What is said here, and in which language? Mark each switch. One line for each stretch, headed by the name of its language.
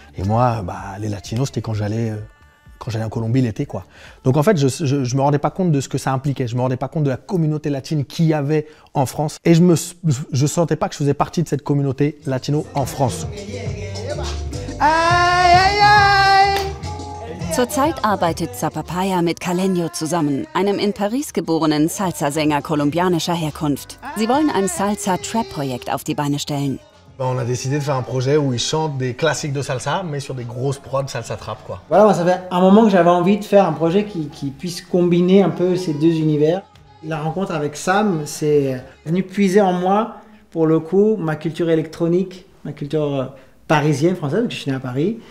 French: Et moi, bah, les Latinos, c'était quand j'allais en Colombie l'été, quoi. Donc en fait, je me rendais pas compte de ce que ça impliquait. Je me rendais pas compte de la communauté latine qu'il y avait en France. Et je sentais pas que je faisais partie de cette communauté latino en France. Aïe, aïe, aïe.
German: Zurzeit arbeitet Zapapaya mit Caleño zusammen, einem in Paris geborenen Salsa-Sänger kolumbianischer Herkunft. Sie wollen ein Salsa-Trap-Projekt auf die Beine stellen.
French: On a décidé de faire un projet où ils chantent des classiques de salsa, mais sur des grosses prods salsa-trap, quoi. Voilà, ça fait un moment que j'avais envie de faire un projet qui puisse combiner un peu ces deux univers. La rencontre avec Sam, c'est venu puiser en moi, pour le coup, ma culture électronique, ma culture parisienne, française, parce que je suis né à Paris.